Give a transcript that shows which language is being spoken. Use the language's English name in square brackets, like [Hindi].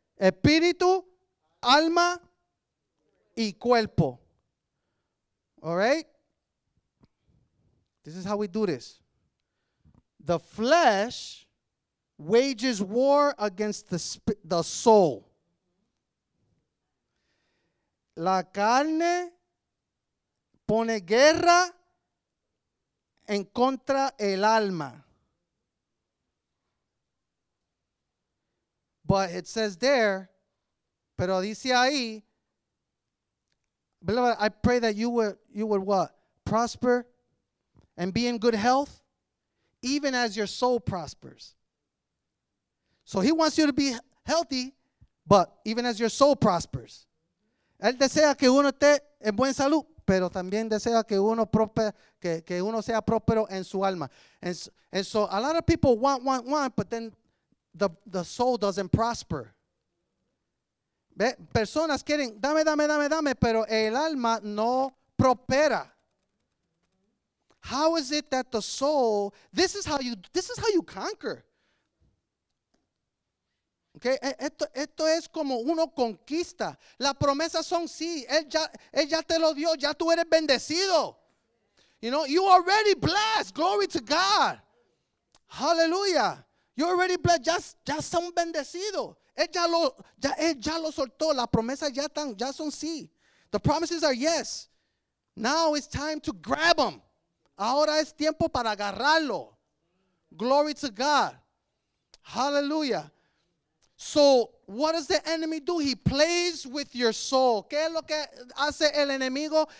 [Spanish] Espíritu, alma, y cuerpo. [English] All right? This is how we do this. The flesh wages war against the soul. [Spanish] La carne pone guerra en contra el alma. [English] But it says there, [Spanish] pero dice ahí, [English] beloved, I pray that you would what? Prosper and be in good health, even as your soul prospers. So he wants you to be healthy, but even as your soul prospers. [Spanish] Él desea que uno esté en buena salud, pero también desea que uno prospere, que uno sea próspero en su alma. [English] And so a lot of people want, but then the soul doesn't prosper. [Spanish] ¿Ve? Personas quieren, dame, pero el alma no prospera. [English] How is it that the soul, this is how you conquer. [Spanish] Okay, esto es como uno conquista. Las promesas son sí. Él ya te lo dio. Ya tú eres bendecido. [English] You know, you already blessed. Glory to God. Hallelujah. You already blessed. [Spanish] Ya son bendecidos. Él ya lo soltó. Las promesas ya son sí. [English] The promises are yes. Now it's time to grab them. [Spanish] Ahora es tiempo para agarrarlo. [English] Glory to God. Hallelujah. So, what does the enemy do? He plays with your soul. [Spanish] ¿Qué es lo que hace el enemigo?